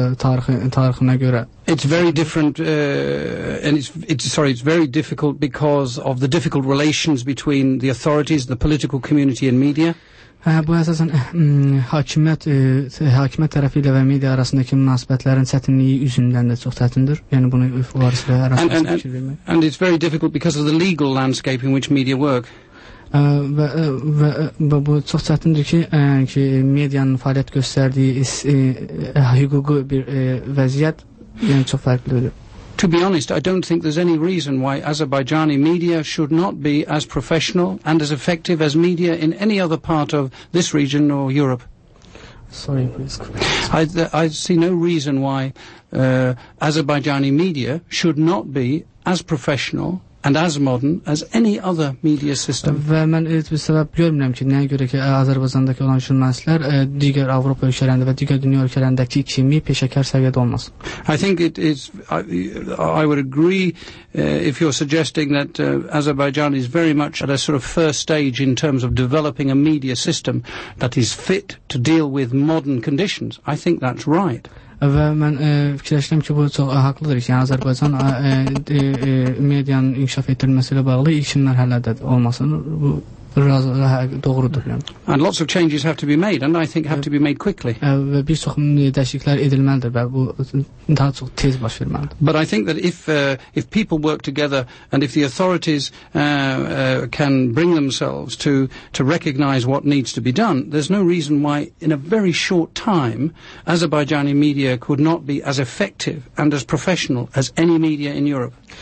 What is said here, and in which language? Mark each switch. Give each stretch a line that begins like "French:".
English: It's very different, it's very difficult because of the difficult relations between the authorities, the political community and media.
Azerbaijani: Bu əsasən hakimiyyət tərəfi ilə və media arasındakı münasibətlərin çətinliyi üzündən də çox çətindir. Yəni bunu varis və arasında fikir vermək.
English: And it's very difficult because of the legal landscape in which media work.
Azerbaijani: Bu çox çətindir ki medianın fəaliyyət göstərdiyi hüquqi bir vəziyyət yəni çox fərqlidir.
English: To be honest, I don't think there's any reason why Azerbaijani media should not be as professional and as effective as media in any other part of this region or Europe. Sorry, please. I see no reason why Azerbaijani media should not be as professional and as modern as any other media system.
Azerbaijani: Və mən heç bir səbəb görmürəm ki, nəyə görə ki, Azərbaycandakı olan jurnalistlər digər Avropa ölkələrində və digər dünya ölkələrindəki kimi peşəkar səviyyədə olmasın.
English: I think it is I would agree if you're suggesting that Azerbaijan is very much at a sort of first stage in terms of developing a media system that is fit to deal with modern conditions. I think that's right.
Azerbaijani: Və mən fikirləşirəm ki, bu çox haqlıdır ki, yəni, Azərbaycan medianın inkişaf etdirilməsi ilə bağlı ilkin mərhələdədir olmasın. Bu doğrudur. Yəni.
English: And lots of changes have to be made, and I think have to be made quickly.
Azerbaijani: Və bir çox dəyişikliklər edilməlidir və bu daha çox tez baş verməlidir.
English: But I think that if people work together and if the authorities can bring themselves to recognize what needs to be done, there's no reason why in a very short time Azerbaijani media could not be as effective and as professional as any media in Europe.